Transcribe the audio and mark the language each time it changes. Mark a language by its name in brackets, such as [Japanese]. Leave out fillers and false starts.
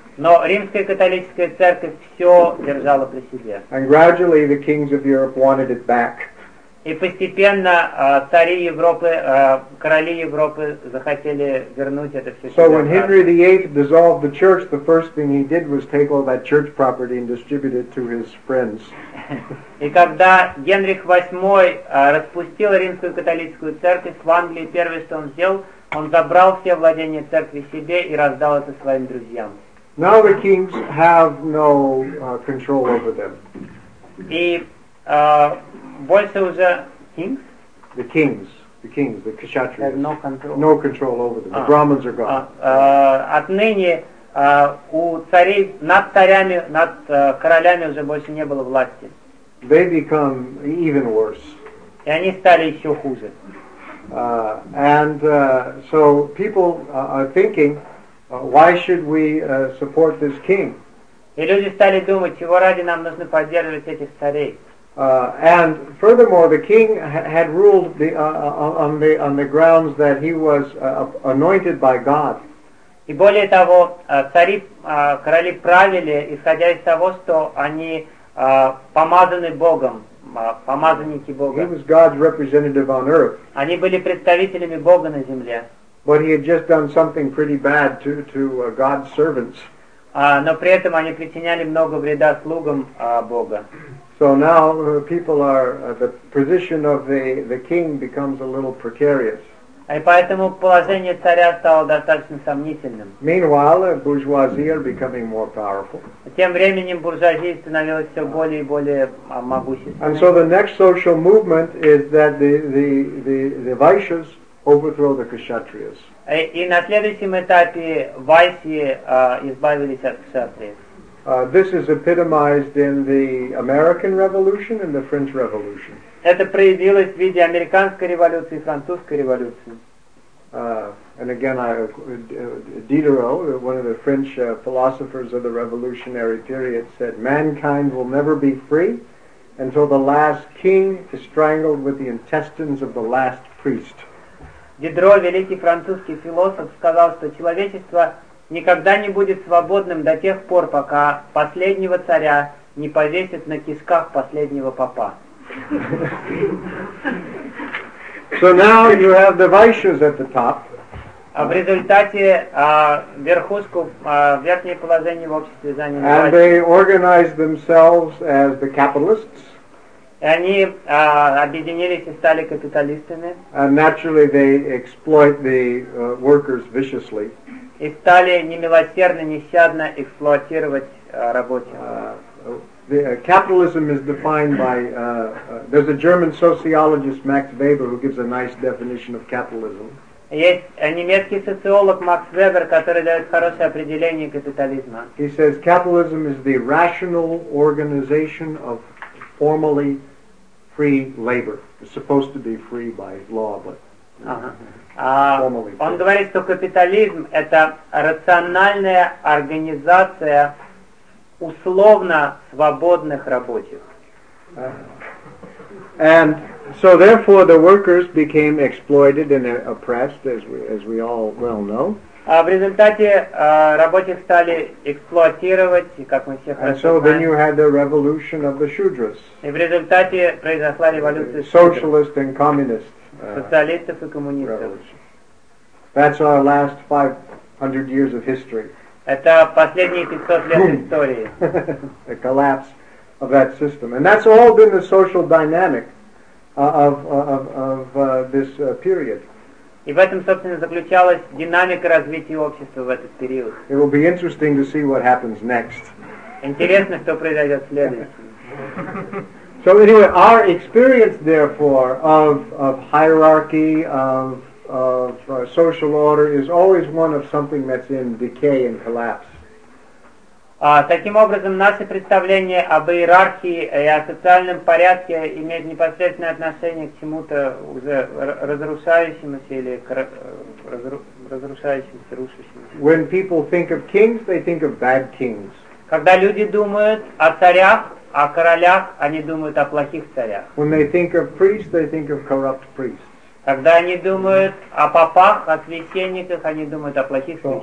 [Russian] Но Римская католическая церковь все держала при себе. [English] And gradually the kings of Europe wanted it back. [Russian] И постепенно цари Европы, короли Европы захотели вернуть это все. [English] So when Henry VIII dissolved the church, the first thing he did was take all that church property and distribute it to his friends. [Russian] И когда Генрих VIII распустил Римскую католическую церковь в Англии, первое, что он сделал, он забрал все владения церкви себе и раздал это своим друзьям. [English] Now the kings have no control over them. [Russian] И больше уже [English] kings? The kings, the kshatriyas. They have no control. No control over them. The brahmins are gone. [Russian] Отныне у царей над царями, над королями уже больше не было власти. [English] They become even worse. [Russian] И они стали еще хуже. [English] So people are thinking, why should we support this king? [Russian] И люди стали думать, чего ради нам нужно поддерживать этих царей? [English] And furthermore, the king had ruled on the grounds that he was anointed by God. [Russian] И более того, цари, короли правили, исходя из того, что они помазаны Богом, помазанники Бога. [English] He was God's representative on earth. [Russian] Они были представителями Бога на земле. [English] But he had just done something pretty bad to God's servants. [Russian] Но при этом они причиняли много вреда слугам Бога. [English] So now people are the position of the king becomes a little precarious. [Russian] И поэтому положение царя стало достаточно сомнительным. [English] Meanwhile, bourgeoisie are becoming more powerful. [Russian] Тем временем буржуазия становилась все более и более могущественной. [English] And so the next social movement is that the Vaishyas overthrow the Kshatriyas. [Russian] И на следующем этапе Вайсьи избавились от Кшатриев. [English] This is epitomized in the American Revolution and the French Revolution. [Russian] Это проявилось в виде американской революции и французской революции. [English] And again, Diderot, one of the French philosophers of the revolutionary period, said, "Mankind will never be free until the last king is strangled with the intestines of the last priest." [Russian] Дидро, великий французский философ, сказал, что человечество никогда не будет свободным до тех пор, пока последнего царя не повесят на кишках последнего попа. [English] So now you have the Vaishyas at the top. [Russian] А в результате верхушку, верхнее положение в обществе заняли [English] Vaishyas. And they organized themselves as the capitalists. [Russian] И они объединились и стали капиталистами. [English] And naturally they exploit the workers viciously. [Russian] И стали немилосердно, нещадно эксплуатировать рабочих. [English] Capitalism is defined by, there's a German sociologist, Max Weber, who gives a nice definition of capitalism. [Russian] Есть немецкий социолог Макс Вебер, который дает хорошее определение капитализма. [English] He says capitalism is the rational organization of formally free labor. It's supposed to be free by law, but formally free. [Russian] Он говорит, что капитализм — это рациональная организация условно свободных рабочих. [English] And so therefore the workers became exploited and oppressed, as we all well know. [Russian] В результате рабочих стали эксплуатировать, как мы все хорошо знаем. [English] And so then you had the revolution of the Shudras. [Russian] И в результате произошла революция [English] Shudras. Socialist and communist. [Russian] Социалистов и коммунистов. [English] Revolution. That's our last 500 years of history. [Russian] Это последние 500 лет истории. [English] The collapse of that system. And that's all been the social dynamic of this period. [Russian] И в этом, собственно, заключалась динамика развития общества в этот период. [English] It will be interesting to see what happens next. [Russian] Интересно, что произойдет в следующем. [English] So anyway, our experience, therefore, of hierarchy, of social order is always one of something that's in decay and collapse. [Russian] Таким образом, наше представление об иерархии и о социальном порядке имеет непосредственное отношение к чему-то уже разрушающемуся или разрушающемуся, рушащемуся. [English] When people think of kings, they think of bad kings. [Russian] Когда люди думают о царях, о королях, они думают о плохих царях. [English] When they think of priests, they think of corrupt priests. [Russian] Когда они думают о попах, о священниках, они думают о плохих